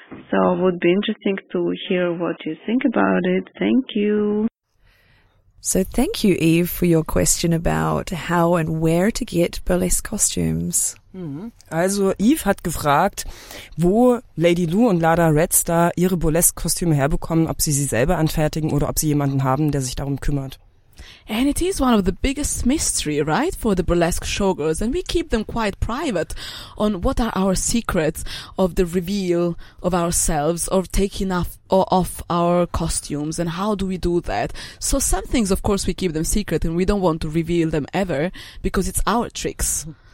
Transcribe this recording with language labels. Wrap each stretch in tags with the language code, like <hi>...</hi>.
<en>So it would be interesting to hear what you think about it. Thank you. So thank you, Eve, for your question about how and where to get burlesque costumes.</en> <de>Also Eve hat gefragt, wo Lady Lou und Lada Redstar ihre Burlesque-Kostüme herbekommen, ob sie sie selber anfertigen oder ob sie jemanden haben, der sich darum kümmert.</de> <en>And it is one of the biggest mystery, right, for the burlesque showgirls, and we keep them quite private on what are our secrets of the reveal of ourselves, of taking off our costumes, and how do we do that. So some things, of course, we keep them secret and we don't want to reveal them ever because it's our tricks.</en>